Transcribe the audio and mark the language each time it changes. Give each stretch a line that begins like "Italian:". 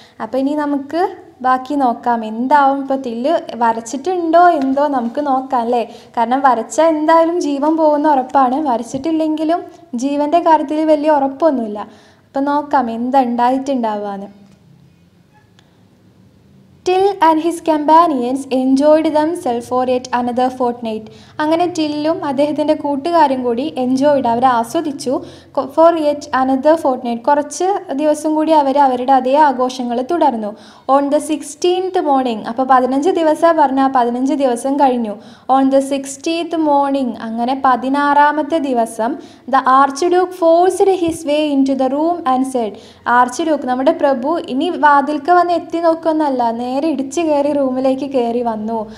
Malayalam: അപ്പോൾ ഇനി നമുക്ക് ബാക്കി നോക്കാം എന്താവും. ഇപ്പോൾ തില്ല് വരച്ചിട്ടുണ്ടോ എന്തോ നമുക്ക് നോക്കാം അല്ലേ, കാരണം വരച്ചാൽ എന്തായാലും ജീവൻ പോകുന്ന ഉറപ്പാണ്, വരച്ചിട്ടില്ലെങ്കിലും ജീവൻ്റെ കാര്യത്തിൽ വലിയ ഉറപ്പൊന്നുമില്ല. അപ്പോൾ നോക്കാം എന്തുണ്ടായിട്ടുണ്ടാവാന്ന്.
English: Till and his companions enjoyed themselves for yet another fortnight.
Malayalam: അങ്ങനെ ടില്ലും അദ്ദേഹത്തിൻ്റെ കൂട്ടുകാരും കൂടി എൻജോയ്ഡ് അവർ ആസ്വദിച്ചു
English: for yet another fortnight,
Malayalam: കുറച്ച് ദിവസം കൂടി അവർ അവരുടെ അതേ ആഘോഷങ്ങൾ തുടർന്നു.
English: on the 16th morning,
Malayalam: അപ്പോൾ 15 ദിവസം പറഞ്ഞാൽ 15 ദിവസം കഴിഞ്ഞു.
English: on the 16th morning,
Malayalam: അങ്ങനെ 16-ാമത്തെ ദിവസം,
English: the archduke forced his way in to the room and said,
Malayalam: arch Duke നമ്മുടെ പ്രഭു ഇനി വാതിൽക്ക് വന്ന് എത്തി നോക്കുമെന്നല്ല, നേരെ ഇടിച്ച് കയറി റൂമിലേക്ക് കയറി വന്നു.